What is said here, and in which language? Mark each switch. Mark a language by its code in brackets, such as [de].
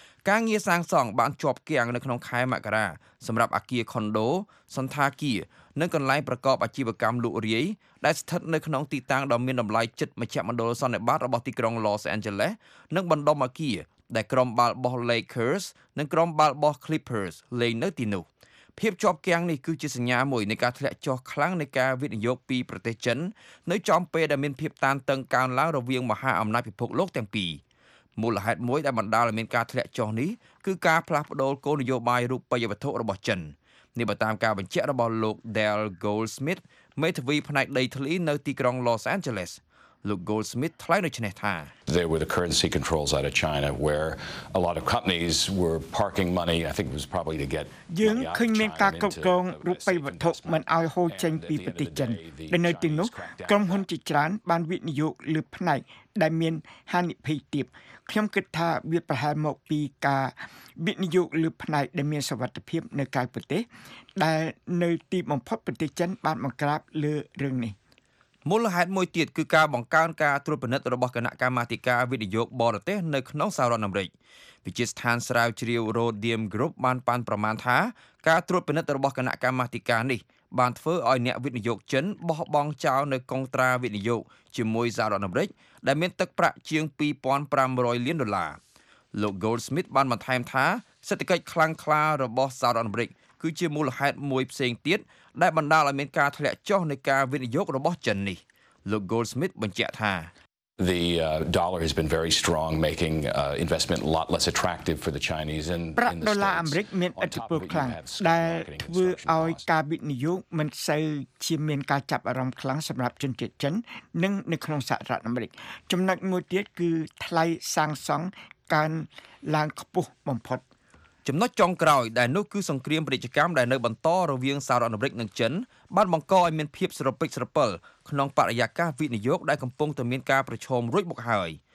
[km] ការងារសាងសង់បានជាប់គាំងនៅក្នុងខែមករាសម្រាប់អគារខុនដូសន្តាគារនិងកន្លែងប្រកបអាជីវកម្មលក់រាយដែលស្ថិតនៅក្នុងទីតាំងដ៏មានតម្លៃជិតមជ្ឈមណ្ឌលសន្និបាតរបស់ទីក្រុង Los Angeles និងបណ្ដុំអគារដែលក្រុមបាល់បោះ Lakers និងក្រុមបាល់បោះ Clippers លេងនៅទីនោះភាពជាប់គាំងនេះគឺជាសញ្ញាមួយនៃការធ្លាក់ចុះខ្លាំងនៃការវិនិយោគពីប្រទេសចិននៅចំពេលដែលមានភាពតានតឹងកើនឡើងរវាងមហាអំណាចពិភពលោកទាំងពី រមូលហេតុមួយដែលបណ្ដាលឲ្យមានការធ្លាក់ចុះនេះគឺការផ្លាស់ប្ដូរគោលនយោបាយរូបិយវត្ថុរបស់ចិននេះបើតាមការបញ្ជាក់របស់លោក Del Goldsmith មេធាវីផ្នែកដីធ្លីនៅទីក្រុង Los Angeles លោក Goldsmith ថ្លែងដូចនេះថា [en] There were the currency controls out of China where a lot of companies were parking money I think it was probably to get [km] យើងឃើញមានការគ្រប់គ្រងរូបិយវត្ថុមិនឲ្យហូរចេញពីប្រទេសចិនដែលនៅទីនោះក្រុមហ៊ុនជាច្រើនបានវិនិយោគលើផ្នែកដែលមានហានិភ័យទាបខ្ញុំគិតថាវាប្រហែលមកពីការវិនិយោគលើផ្នែកដែលមានសុវត្ថិភាពនៅក្រៅប្រទេសដែលនៅទីបំផុតប្រទេសចិនបានមកក្រាបលើរឿងនេះ មូលហេតុមួយទៀតគឺការបង្កើនការត្រួតពិនិត្យរបស់គណៈកម្មាធិការវិនិយោគបរទេសនៅក្នុងសហរដ្ឋអាមេរិកវិទ្យាស្ថានស្រាវជ្រាវ Rhodium Group បានប៉ាន់ប្រមាណថាការត្រួតពិនិត្យរបស់គណៈកម្មាធិការនេះបានធ្វើឲ្យអ្នកវិនិយោគចិនបោះបង់ចោលនៅកុងត្រាវិនិយោគជាមួយសហរដ្ឋអាមេរិកដែលមានទឹកប្រាក់ជាង 2,500 លានដុល្លារ លោក Goldsmith បានបន្ថែមថាសេដ្ឋកិច្ចខ្លាំងក្លារបស់សហរដ្ឋអាមេរិកគឺជាមូលហេតុមួយផ្សេងទៀតដែលបណ្ដាលឲ្យមានការធ្លាក់ចុះនៃការវិនិយោគរបស់ចិននេះលោក Goldsmith បញ្ជាក់ថា [en] The dollar has been very strong making investment a lot less attractive for the Chinese and in the States. [km] ដុល្លារអាមេរិកមានឥទ្ធិពលខ្លាំងដែលធ្វើឲ្យការវិនិយោគមិនសូវជាមានការចាប់អារម្មណ៍ខ្លាំងសម្រាប់ជនជាតិចិននិងនៅក្នុងសហរដ្ឋអាមេរិកចំណុចមួយទៀតគឺថ្លៃសាំងសុងកើនឡើងខ្ពស់បំផុត ចំណុចចុងក្រោយដែលនោះគឺសង្គ្រាមពាណិជ្ជកម្មដែលនៅបន្តរវាងសហរដ្ឋអាមេរិកនិងចិនបានបង្កឲ្យមានភាពស្រពិចស្រពិលក្នុងបរិយាកាសវិនិយោគដែលកំពុងតែមានការប្រឈមរួចមកហើយ